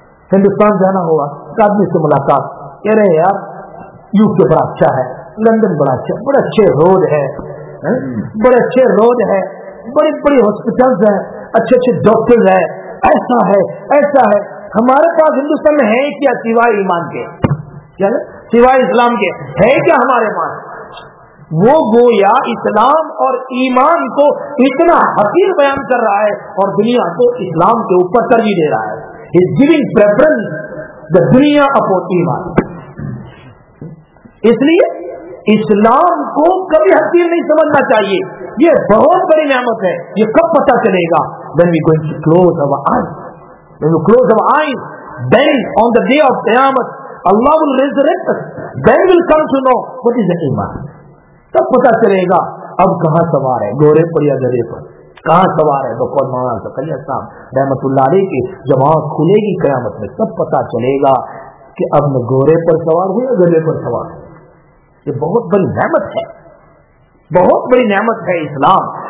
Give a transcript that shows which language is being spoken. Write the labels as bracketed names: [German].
[Urdu] ہندوستان جانا ہوا, ایک آدمی سے ملاقات, کہہ رہے ہیں یار یو کے بڑا اچھا ہے, لندن بڑا اچھا, بڑا اچھے روڈ ہے, بڑے اچھے روڈ ہے, بڑے بڑے ہاسپٹلز ہیں, اچھے اچھے ڈاکٹرز ہیں, ایسا ہے ایسا ہے. ہمارے پاس ہندوستان میں ہے کیا سوائے ایمان کے, کیا سوائے اسلام کے ہے کیا ہمارے پاس؟ وہ گویا اسلام اور ایمان کو اتنا حقیر بیان کر رہا ہے اور دنیا کو اسلام کے اوپر ترجیح دے رہا ہے. [English] He's giving preference the dunya upon iman. [Urdu] اس لیے اسلام کو کبھی حقیر نہیں سمجھنا چاہیے, یہ بہت بڑی نعمت ہے. [English] یہ کب پتا چلے گا؟ When we going to close our eyes, when we close our eyes, then on the day of qiyamat Allah will resurrect us, then will come to know what is the iman. [Urdu] تب پتا چلے گا اب کہاں سوار ہے, گورے پر یا گرے پر, کہاں سوار ہے. تو کون مانا سکیا صاحب رحمت اللہ علیہ کی جب آنکھ کھلے گی قیامت میں, تب پتا چلے گا کہ اب میں گورے پر سوار ہوں یا گرے پر سوار ہوں. یہ بہت بڑی نعمت ہے, بہت بڑی نعمت ہے اسلام.